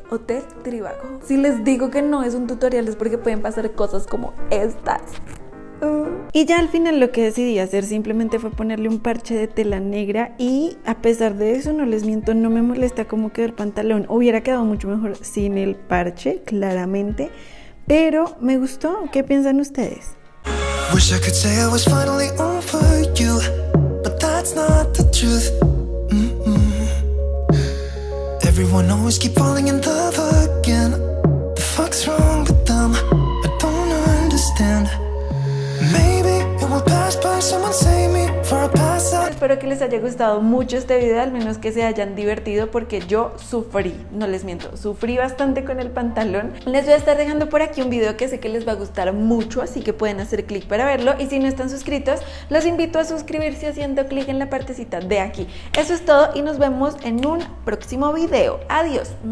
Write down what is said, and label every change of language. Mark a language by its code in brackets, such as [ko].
[es] Hotel Trivago. Si les digo que no es un tutorial es porque pueden pasar cosas como estas. Y ya al final lo que decidí hacer simplemente fue ponerle un parche de tela negra y a pesar de eso, no les miento, no me molesta cómo quedó el pantalón. Hubiera quedado mucho mejor sin el parche, claramente. Pero me gustó. ¿Qué piensan ustedes? [en] Wish I could say I was finally over you. That's not the truth. Everyone always keep falling in love again. The fuck's wrong with them? I don't understand. Maybe it will pass by. Someone save me for a pass out. [es] Espero que les haya gustado mucho este video, al menos que se hayan divertido, porque yo sufrí, no les miento, sufrí bastante con el pantalón. Les voy a estar dejando por aquí un video que sé que les va a gustar mucho, así que pueden hacer clic para verlo. Y si no están suscritos, los invito a suscribirse haciendo clic en la partecita de aquí. Eso es todo y nos vemos en un próximo video. Adiós.